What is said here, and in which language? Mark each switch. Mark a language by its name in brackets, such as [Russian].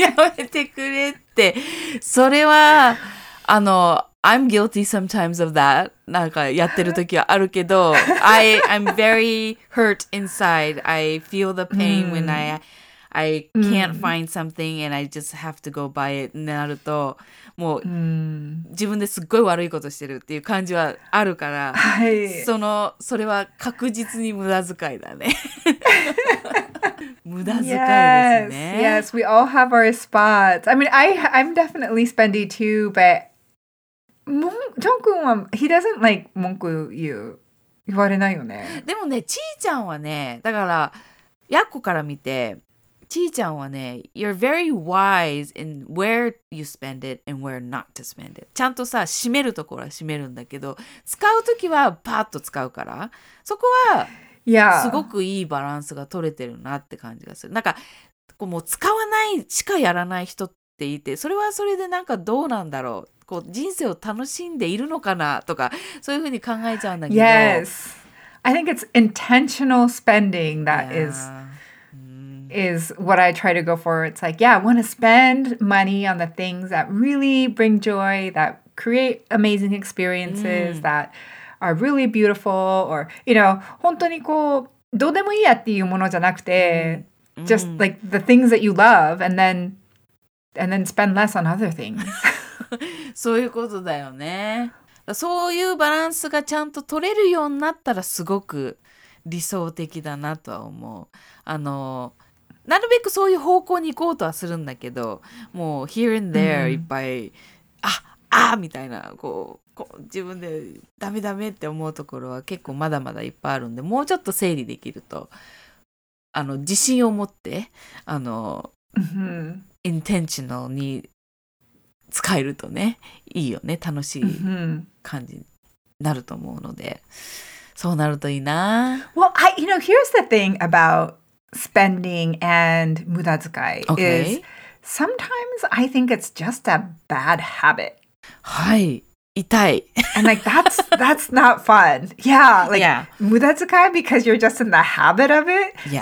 [Japanese] やめてくれって。それは、あの、 [English] I'm guilty sometimes of that. [Japanese] なんかやってる時はあるけど、 [English] I'm very hurt inside. I feel the pain when I can't find something and I just have to go buy it. [Japanese] なると、もう、自分ですっごい悪いことしてるっていう感じはあるから、はい、その、それは確実に無駄遣いだね。無駄遣いですね。 [English] Yes, we all have our spots. I mean, I'm definitely spendy too, but... [Japanese] ジョン君は [English] he doesn't like [Japanese] 文句言われないよね。でもね、ちーちゃんはね、だからやっこから見て、ちーちゃんはね、 [English] you're very wise in where you spend it and where not to spend it。 [Japanese] ちゃんとさ、閉めるところは閉めるんだけど、使うときはパッと使うから、そこはすごくいいバランスが取れてるなって感じがする。なんかこうもう使わないしかやらない人っていて、それはそれでなんかどうなんだろう。こう人生を楽しんでいるのかなとかそういうふうに考えちゃうんだけど [English] Yes, I think it's intentional spending that is what I try to go for. It's like, yeah, I want to spend money on the things that really bring joy, that create amazing experiences, that are really beautiful, or, you know, [Japanese] 本当にこう、どうでもいいやっていうものじゃなくて、 [English] just like the things that you love, and then spend less on other things. [Japanese] そういうことだよね。そういうバランスがちゃんと取れるようになったらすごく理想的だなとは思う。あの、なるべくそういう方向に行こうとはするんだけど、もう here and there いっぱい、ああみたいな、こう自分でダメダメって思うところは結構まだまだいっぱいあるんで、もうちょっと整理できると、あの、自信を持って、あの、intentional に使えるとね、いいよね、楽しい感じになると思うので、そうなるといいな。 [English] Well, I, you know, here's the thing about spending and 無駄遣い、okay. is sometimes I think it's just a bad habit. [Japanese] はい、痛い。 [English] And like that's not fun. Yeah, like, yeah. 無駄遣い because you're just in the habit of it, yeah.